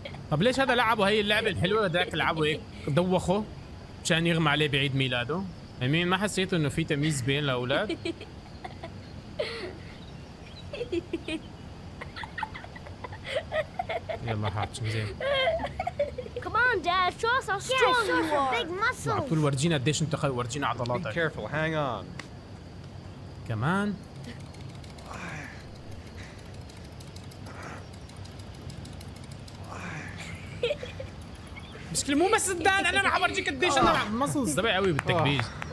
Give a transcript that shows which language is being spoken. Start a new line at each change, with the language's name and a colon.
Arabic: طب ليش هذا لعبه هي اللعبه الحلوه ذاك لعبه هيك دوخه مشان يغمى عليه بعيد ميلاده؟ امين ما حسيت انه في تمييز بين الاولاد؟ يلا حاج زين.
English: Come on dad, show us how strong you are. Big muscles.
Arabic: طول ورجينا قديش انت قوي، ورجينا عضلاتك.
English: Be careful, hang on.
Arabic: كمان. مشكلة مو بس الدان، انا رح اورجيك قديش انا رح مسلز تبعي قوي بالتكبيس.